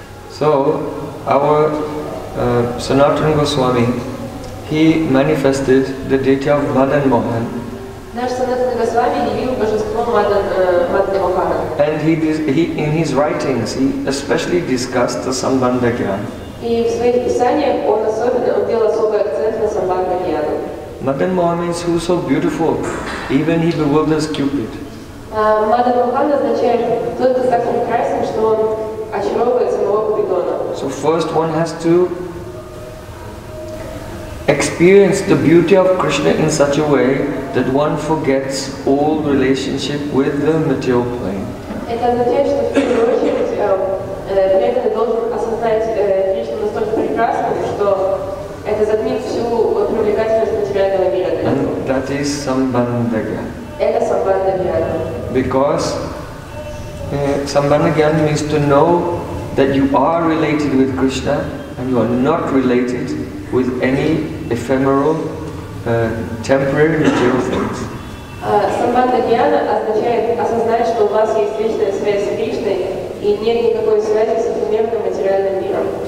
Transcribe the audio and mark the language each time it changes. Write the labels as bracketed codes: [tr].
[en] So our Sanatana Goswami, he manifested the deity of Madan Mohan. [ru] Наш Санатана Госвами явил божество Мадан Мохана. [en] And he in his writings he especially discussed the Sambandha Gyan. [ru] И в своих писаниях он особенно делал особый акцент на Сambandha Gyan. [en] Madan Mohan means who is so beautiful, even he bewilders Cupid. [ru] Madan Mohan означает тот, кто так прекрасен, что он очаровывает самого Купидона. [en] So first one has to experience the beauty of Krishna in such a way that one forgets all relationship with the material plane. [ru] Это означает, что в первую очередь преданный должен осознать Кришну настолько прекрасным, что это затмит всю привлекательность. [en] And that is Sambandha Gyan. Because Sambandha Gyan means to know that you are related with Krishna and you are not related with any ephemeral, temporary material things. [ru] Sambandha Gyan означает осознать, что у вас есть личная связь с Кришной и нет никакой связи с эфемерным материальным миром.